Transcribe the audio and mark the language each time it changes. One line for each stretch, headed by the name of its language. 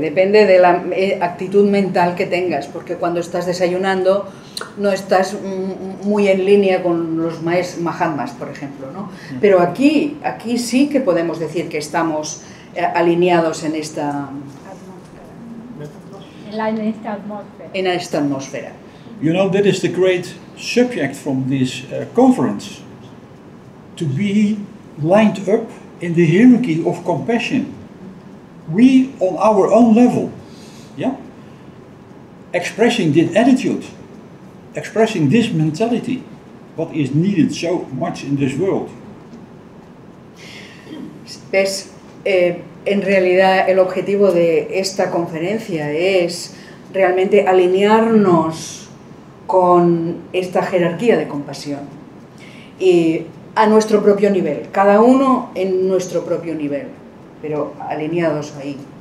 Spanish: Depende de la actitud mental que tengas, porque cuando estás desayunando no estás muy en línea con los mahatmas, por ejemplo, ¿no? Yeah. Pero aquí sí que podemos decir que estamos alineados en esta atmósfera. En esta atmósfera.
English: You know, that is the great subject from this conference, to be lined up in the hierarchy of compassion. We, on our own level, yeah, expressing this attitude, expressing this mentality, what is needed so much in this world.
Spanish: Pues, en realidad, el objetivo de esta conferencia es realmente alinearnos con esta jerarquía de compasión y a nuestro propio nivel, cada uno en nuestro propio nivel, pero alineados ahí.